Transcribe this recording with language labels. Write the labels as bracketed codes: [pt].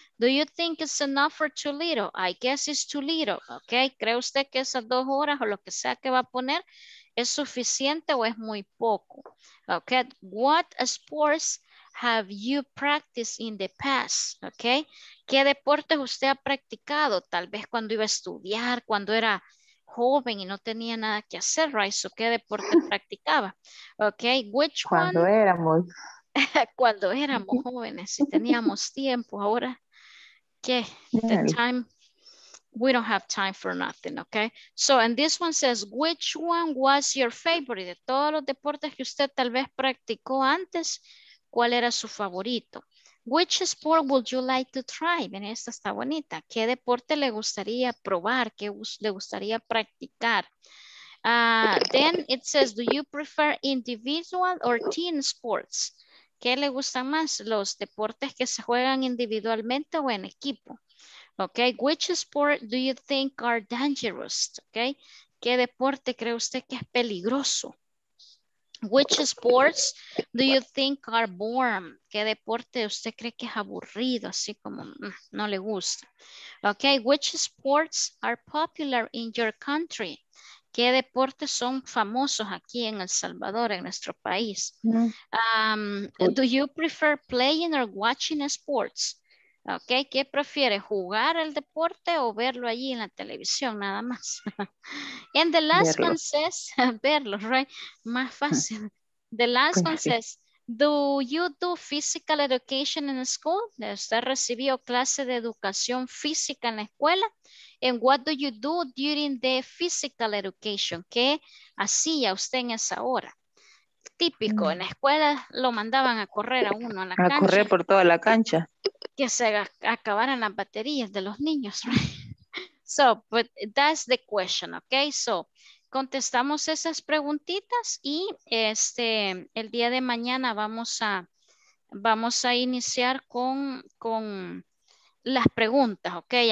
[en] Do you think it's enough or too little? I guess it's too little, okay? [es] ¿Cree usted que esas 2 horas o lo que sea que va a poner es suficiente o es muy poco? [en] Okay, what sports have you practiced in the past, okay? [es] ¿Qué deportes usted ha practicado? Tal vez cuando iba a estudiar, cuando era joven y no tenía nada que hacer, right? So, ¿qué deporte practicaba? [en] Okay, which [es] cuando [en] one? [es] Cuando éramos... Cuando éramos jóvenes y teníamos tiempo, ahora, ¿qué? [en] The time, we don't have time for nothing, okay? So, and this one says, which one was your favorite? [es] De todos los deportes que usted tal vez practicó antes, ¿cuál era su favorito? [en] Which sport would you like to try? [es] Ven, esta está bonita. ¿Qué deporte le gustaría probar? ¿Qué le gustaría practicar? [en] Then it says, do you prefer individual or team sports? [es] ¿Qué le gustan más? ¿Los deportes que se juegan individualmente o en equipo? [en] Okay, which sport do you think are dangerous? Okay, [es] ¿qué deporte cree usted que es peligroso? [en] Which sports do you think are boring? [es] ¿Qué deporte usted cree que es aburrido? Así como no le gusta. [en] Okay, which sports are popular in your country? [es] ¿Qué deportes son famosos aquí en El Salvador, en nuestro país? [en] Do you prefer playing or watching sports? [es] Okay, ¿qué prefiere, jugar el deporte o verlo allí en la televisión, nada más? [en] And the last verlo. One says, verlo, right? [es] Más fácil. [en] The last one says, do you do physical education in school? [es] ¿Usted recibió clase de educación física en la escuela? And what do you do during the physical education? ¿Qué hacía usted en esa hora? Típico, en la escuela lo mandaban a correr a uno a la cancha. A correr por toda la cancha. Que se acabaran las baterías de los niños. [en] So, but that's the question, okay? [es] So, contestamos esas preguntitas y este, el día de mañana vamos a iniciar con las preguntas, okay?